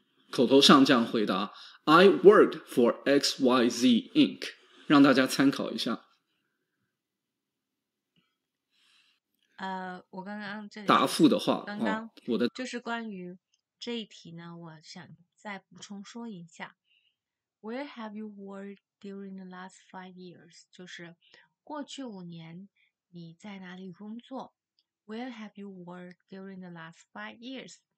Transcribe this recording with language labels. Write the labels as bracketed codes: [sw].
[zh] 口头上这样回答， [en] I worked for XYZ Inc. [zh] 让大家参考一下。我刚刚这里答复的话，刚刚，我的就是关于这一题呢，我想再补充说一下。 [en] Where have you worked during the last 5 years? [zh] 就是过去5年你在哪里工作？ [en] Where have you worked during the last 5 years?